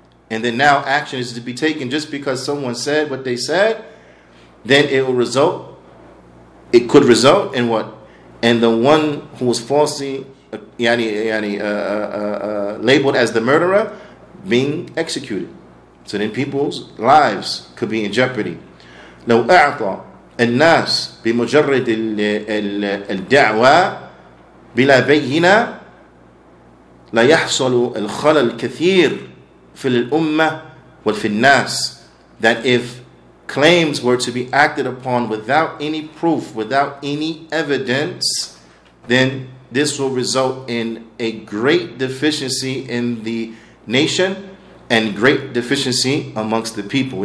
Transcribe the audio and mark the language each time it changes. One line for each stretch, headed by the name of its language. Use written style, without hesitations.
English: And then now action is to be taken just because someone said what they said, then it could result in what? And the one who was falsely, labeled as the murderer, being executed. So then people's lives could be in jeopardy.
Arabic: لو أعطى الناس بمجرد الدعوة بلا بينة لا يحصل الخلل كثير في الأمة وفي الناس.
English: That if claims were to be acted upon without any proof, without any evidence, then this will result in a great deficiency in the nation and great deficiency amongst the people.